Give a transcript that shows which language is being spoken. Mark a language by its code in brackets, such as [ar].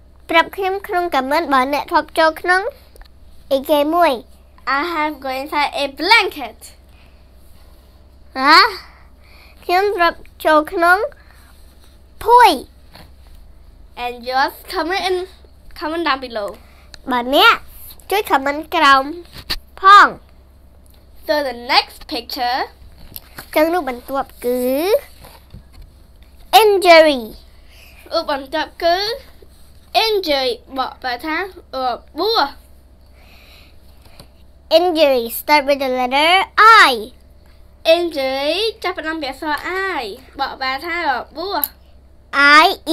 [km] ប្រាប់ខ្ញុំក្នុងខមមិនបើអ្នកធ្លាប់ចូលក្នុងអីគេមួយ [en] I have go inside a blanket [km] ហ៎ខ្ញុំប្រាប់ចូលក្នុងភួយ [en] And yours comment down below [km] បើអ្នកជួយខមមិនក្រោមផង [en] So the next pictured [km] ចឹងនោះបន្ទាប់គឺ injury អូបន្ទាប់គឺ injury បកប្រែថាអូបួស injury start with the letter i injury ចាប់ផ្ដើមពាក្យសរ i បកប្រែថាអូបួស